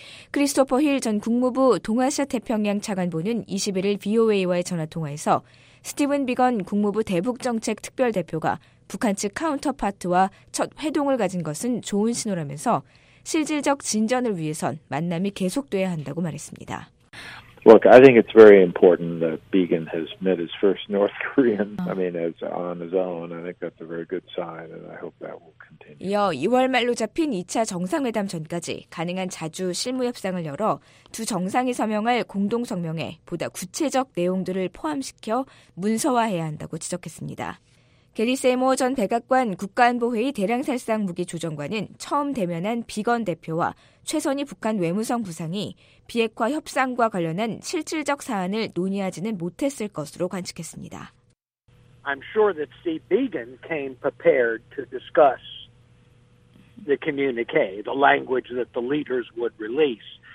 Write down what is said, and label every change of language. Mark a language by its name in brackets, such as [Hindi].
[Korean] 크리스토퍼 힐 전 국무부 동아시아 태평양 차관보는 21일 VOA와의 전화통화에서 스티븐 비건 국무부 대북정책특별대표가 북한 측 카운터파트와 첫 회동을 가진 것은 좋은 신호라면서 실질적 진전을 위해선 만남이 계속돼야 한다고 말했습니다. [English] Look, I think it's very important that Began has met his first North Korean. I mean, as on his own. I think that's a very good sign, and I hope that will continue. [Korean] 이어 2월 말로 잡힌 2차 정상회담 전까지 가능한 자주 실무 협상을 열어 두 정상이 서명할 공동 성명에 보다 구체적 내용들을 포함시켜 문서화해야 한다고 지적했습니다. 게리 세모 전 백악관 국가안보회의 대량살상 무기 조정관은 처음 대면한 비건 대표와 최선희 북한 외무성 부상이 비핵화 협상과 관련한 실질적 사안을 논의하지는 못했을 것으로 관측했습니다. [English] I'm sure that Steve Began came prepared to discuss the communique, the language that the leaders would release.